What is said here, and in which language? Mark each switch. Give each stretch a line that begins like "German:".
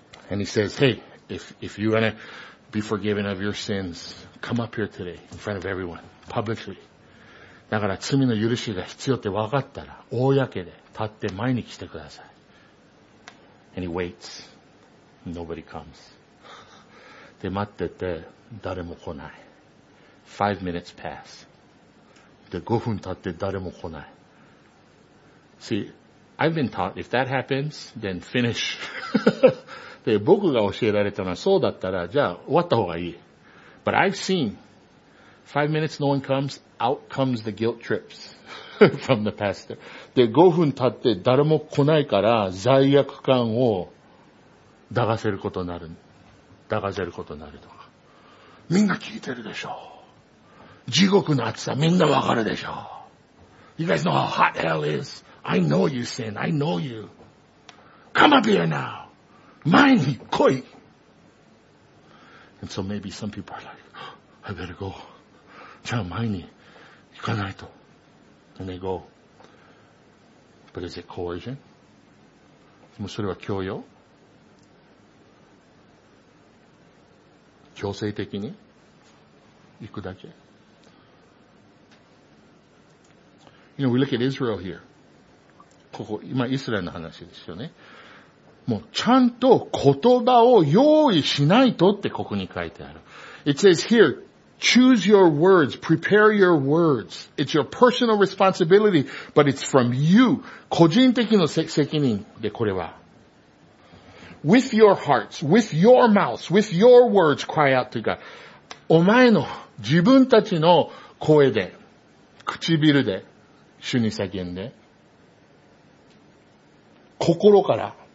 English: And he says, hey, if you want to be forgiven of your sins, come up here today in front of everyone, publicly.
Japanese: だから罪の許しが必要って分かったら、公で立って前に来てください。
English: And he waits. Nobody comes.
Japanese: で、待ってて、誰も来ない。
English: 5 minutes pass.
Japanese: で、5分経って誰も来ない。
English: See, I've been taught, if that happens, then finish.
Japanese: で、僕が教えられたのはそうだったら、じゃあ終わった方がいい。
English: But I've seen, 5 minutes no one comes, out comes the guilt trips from the pastor.
Japanese: で、5分経って誰も来ないから、罪悪感を抱かせることになる。抱かせることになるとか。みんな聞いてるでしょ。地獄の暑さみんなわかるでしょ。
English: You guys know how hot hell is. I know you sin. I know you. Come up here now.
Japanese: 前に来い。
English: And so maybe some people are like, I better go.
Japanese: じゃあ前に行かないと。
English: And they go. But is it coercion?
Japanese: もうそれは強要? 強制的に行くだけ?
English: You know, we look at Israel here.
Japanese: ここ、今、イスラエルの話ですよね。もう、ちゃんと言葉を用意しないとってここに書いてある。
English: It says here, choose your words, prepare your words. It's your personal responsibility, but it's from you.
Japanese: 個人的な責任でこれは。
English: With your hearts, with your mouths, with your words, cry out to God.
Japanese: お前の、自分たちの声で、唇で、主に叫んで、心から。